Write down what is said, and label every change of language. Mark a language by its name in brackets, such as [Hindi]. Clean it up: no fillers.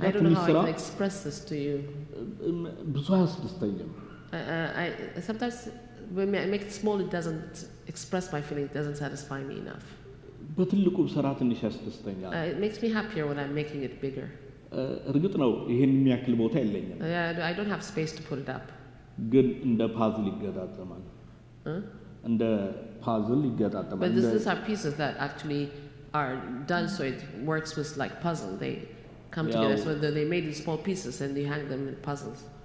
[Amharic] ትንሽ ስራ [English] I don't know how to express this to you. [Amharic] ብዙ አስደስተኛም [English] I sometimes when I make it small it doesn't express my feeling, it doesn't satisfy me enough. [Amharic] በትልቁ ስራ ትንሽ ያስደስተኛል. [English] It makes me happier when I'm making it bigger. [Amharic] እርግጥ ነው ይሄን የሚያክል ቦታ የለኝም. [English] Yeah, I don't have space to put it up. [Amharic] ግን እንደ ፓዝል ይገጣጠማል. እንደ ፓዝል ይገጣጠማል. [English] But this is our pieces that actually are done so it works with like puzzle. They come together so they made in small pieces and you hang them in puzzles.